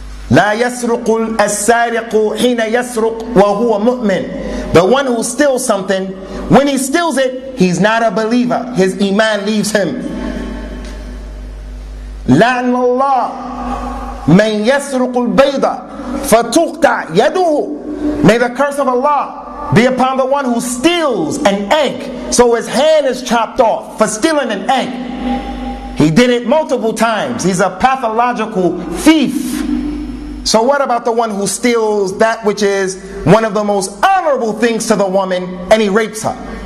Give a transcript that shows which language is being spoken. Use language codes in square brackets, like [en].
[ar] لا يسرق السارق حين يسرق وهو مؤمن. [en] The one who steals something, when he steals it, he's not a believer. His iman leaves him. [ar] لعن الله من يسرق البيضة فتقطع يده. [en] May the curse of Allah be upon the one who steals an egg, so his hand is chopped off for stealing an egg. He did it multiple times. He's a pathological thief. So what about the one who steals that which is one of the most honorable things to the woman, and he rapes her?